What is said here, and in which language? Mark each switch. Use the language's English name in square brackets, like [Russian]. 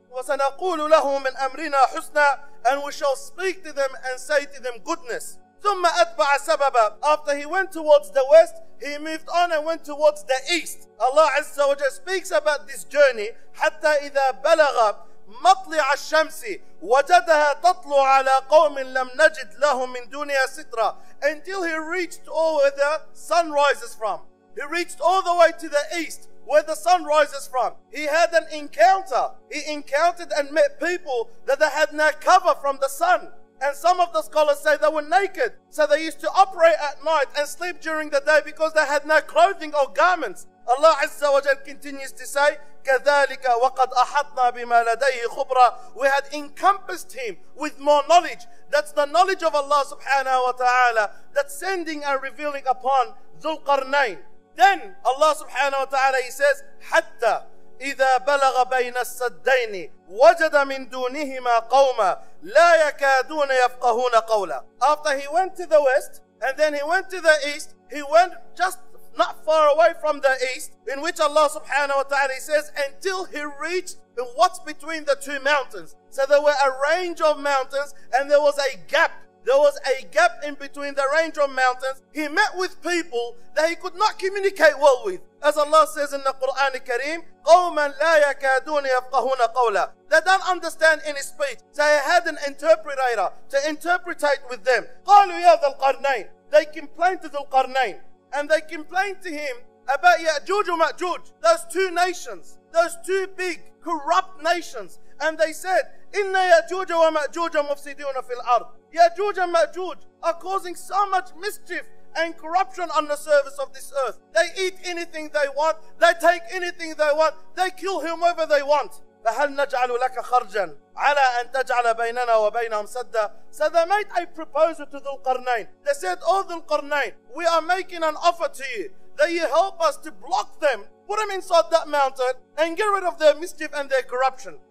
[Arabic] وَسَنَقُولُ لَهُ مِنْ أَمْرِنَا حُسْنًا [English] And we shall speak to them and say to them goodness. [Arabic] ثُمَّ أَتْبَعَ سَبَبًا [English] After he went towards the west, he moved on and went towards the east. Allah Azza wa Jalla speaks about this journey. [Arabic] حَتَّى إِذَا بَلَغَ مطلع الشمس وجدها تطلع على قوم لم نجد لهم من دونها سترة. [English] Until he reached all where the sun rises from. He reached all the way to the east where the sun rises from. He had an encounter. He encountered and met people that they had no cover from the sun. And some of the scholars say they were naked. So they used to operate at night and sleep during the day because they had no clothing or garments. Allah Azza wa Jal continues to say, [Arabic] كَذَلِكَ وَقَدْ أَحَطْنَا بِمَا لَدَيْهِ خُبْرًا. [English] We had encompassed him with more knowledge. That's the knowledge of Allah subhanahu wa ta'ala that's sending and revealing upon ذُلْقَرْنَيْن. Then Allah subhanahu wa ta'ala, he says, [Arabic] حَتَّى إِذَا بَلَغَ بَيْنَ السَّدَّيْنِ وَجَدَ مِنْ دُونِهِمَا قَوْمًا لَا يَكَادُونَ يَفْقَهُونَ قَوْلًا. [English] After he went to the west and then he went to the east, he went just not far away from the east, in which Allah subhanahu wa ta'ala says, until he reached what's between the two mountains. So there were a range of mountains and there was a gap. There was a gap in between the range of mountains. He met with people that he could not communicate well with. As Allah says in the Quran Kareem, [Arabic] قَوْمًا لَا يَكَادُونَ يَفْقَهُونَ قَوْلًا. [English] They don't understand any speech. So he had an interpreter to interpretate with them. [Arabic] قَالُوا يَا ذَا الْقَرْنَيْنِ. [English] They complained to ذُلْقَرْنَيْنِ. And they complained to him about Ya'juj and Ma'juj, those two nations, those two big corrupt nations. And they said, [Arabic] إِنَّ يَأْجُوجَ وَمَأْجُوجَ مُفْسِدُونَ فِي الْأَرْضِ. [English] يَأْجُوجَ and Ma'juj are causing so much mischief and corruption on the surface of this earth. They eat anything they want. They take anything they want. They kill whomever they want. [Arabic] فَهَلْ نَجْعَلُ لَكَ خَرْجًا عَلَىٰ أَن تَجْعَلَ بَيْنَنَا وَبَيْنَهُمْ سَدًّا. [English] So they made a proposal to ذُلْقَرْنَيْن. They said, oh ذُلْقَرْنَيْن, we are making an offer to you that you help us to block them, put them inside that mountain and get rid of their mischief and their corruption.